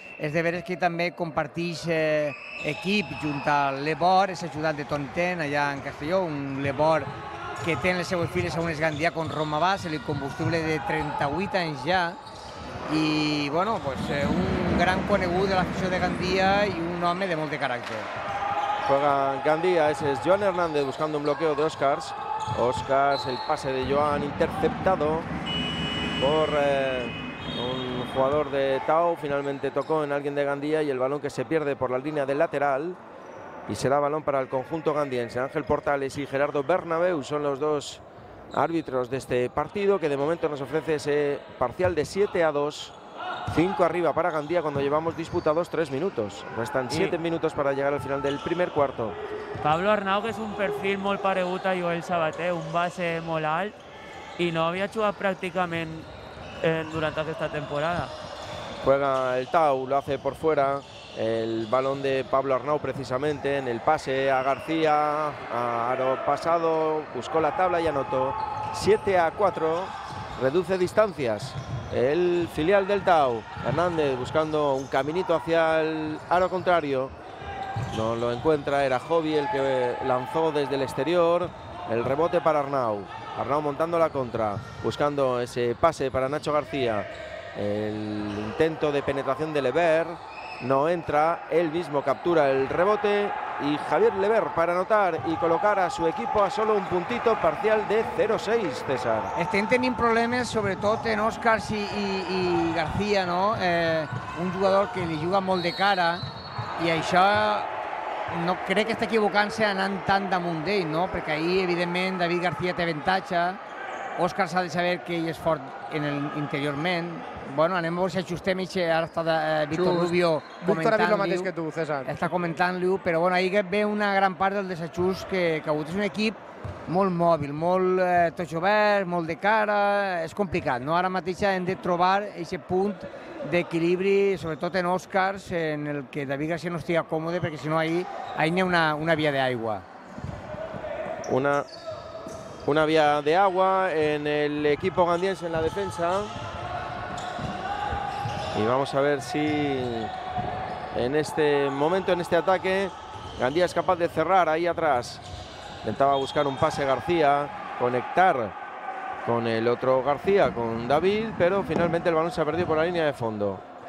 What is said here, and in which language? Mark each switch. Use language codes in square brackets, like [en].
[ca] És de veres que també compartix equip junt a l'Ebor, és ajudant de Tonten allà en Castelló, un Ebor que té les seues filles a un esgandia con Roma Bas, el combustible de 38 anys ja, i, bueno, un gran conegut de l'afició de Gandia i un home de molt de caràcter. [es] Juega Gandía, ese es Joan Hernández buscando un bloqueo de Óscar. Óscar, el pase de Joan interceptado por un jugador de Tau. Finalmente tocó en alguien de Gandía y el balón que se pierde por la línea del lateral. Y será balón para el conjunto gandiense. Ángel Portales y Gerardo Bernabéu son los dos árbitros de este partido, que de momento nos ofrece ese parcial de 7-2. 5 arriba para Gandía cuando llevamos disputados 3 minutos. Restan 7 minutos para llegar al final del primer cuarto. [ca] Pablo Arnau, que és un perfil molt paregut a Joel Sabater, un base molt alt, i no havia jugat pràcticament durant aquesta temporada. [es] Juega el Tau, lo hace por fuera, el balón de Pablo Arnau precisamente, en el pase a García, a aro pasado, buscó la tabla y anotó. 7-4, reduce distancias. El filial del Tau, Hernández, buscando un caminito hacia el aro contrario. No lo encuentra, era Jovi el que lanzó desde el exterior. El rebote para Arnau. Arnau montando la contra, buscando ese pase para Nacho García. El intento de penetración de Lever no entra. Él mismo captura el rebote. Y Javier Lever para anotar y colocar a su equipo a solo un puntito, parcial de 0-6, César. Estén teniendo problemas, sobre todo en Óscar y García, ¿no? Un jugador que le juega [ca] molt de cara, y això no crec que està equivocant-se anant tan damunt d'ell, no? Perquè ahir, evidentment, David García té avantatge. Òscar s'ha de saber que ell és fort en el, interiorment. Bueno, anem a veure si ajustem, ixe, ara està Víctor Rubio comentant-li. Víctor ha dit el mateix que tu, César. Està comentant-li, però bueno, ahir ve una gran part del desajust que ha hagut. És un equip molt mòbil, molt tot obert, molt de cara, és complicat, no? Ara mateix hem de trobar aquest punt d'equilibri, sobretot en Òscars, en el que David García no estigui còmode, perquè si no ahir n'hi ha una via d'aigua. Una via d'aigua en l'equip gandiense en la defensa. [es] Y vamos a ver si en este momento, en este ataque, Gandía es capaz de cerrar ahí atrás. Intentaba buscar un pase García, conectar con el otro García, con David, pero finalmente el balón se ha perdido por la línea de fondo.